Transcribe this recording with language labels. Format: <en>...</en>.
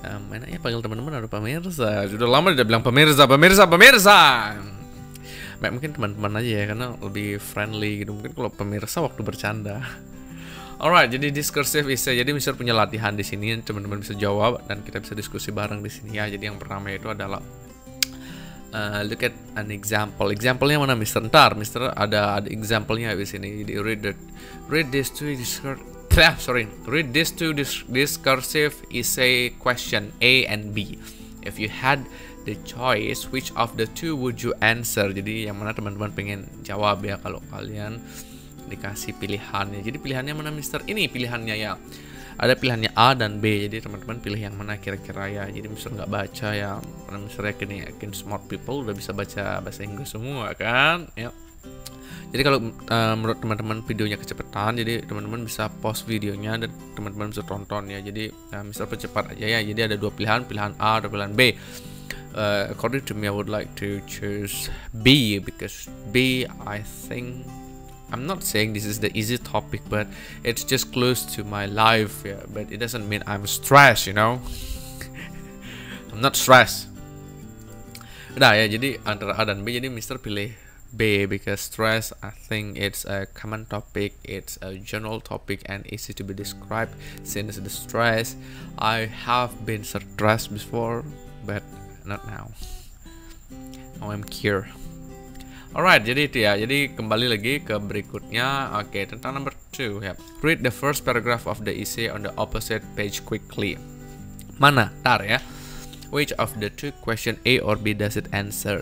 <id>Enaknya panggil teman-teman atau pemirsa? Sudah lama tidak bilang pemirsa. Baik, mungkin teman-teman aja ya, karena lebih friendly gitu. Mungkin kalau pemirsa waktu bercanda.</id> <en>Alright,</en> <id>jadi discursive essay. Jadi Mister punya latihan di sini, teman-teman bisa jawab dan kita bisa diskusi bareng di sini ya. Jadi yang pertama itu adalah</id> <en>look at an example.</en> <id>Example-nya mana Mister? Ntar Mister ada example-nya di sini. Jadi</id> <en>read this two discursive essay question A and B. If you had the choice, which of the two would you answer?</en> <id>Jadi yang mana teman-teman pengen jawab ya kalau kalian dikasih pilihannya. Jadi pilihannya mana Mister? Ini pilihannya ya. Ada pilihannya A dan B. Jadi teman-teman pilih yang mana kira-kira ya. Jadi Mister nggak baca ya. Karena Mister yakin</id> <en>smart people</en> <id>udah bisa baca bahasa Inggris semua kan. Ya. Jadi kalau menurut teman-teman videonya kecepatan, jadi teman-teman bisa pause videonya dan teman-teman bisa tonton ya. Jadi Mister percepat aja ya. Jadi ada dua pilihan, pilihan A dan pilihan B.</id> <en>According to me, I would like to choose B, because B, I think, I'm not saying this is the easy topic, but it's just close to my life, yeah. But it doesn't mean I'm stressed, you know. I'm not stressed.</en> <id>Nah ya, jadi antara A dan B, jadi Mister pilih B,</id> <en>because stress, I think it's a common topic, it's a general topic and easy to be described, since the stress, I have been stressed before, but not now. Now I'm cured. Alright,</en> <id>jadi itu ya. Jadi kembali lagi ke berikutnya. Oke, tentang number 2 ya.</id> <en>Read the first paragraph of the essay on the opposite page quickly.</en> <id>Mana? Ntar ya.</id> <en>Which of the two question A or B does it answer?</en>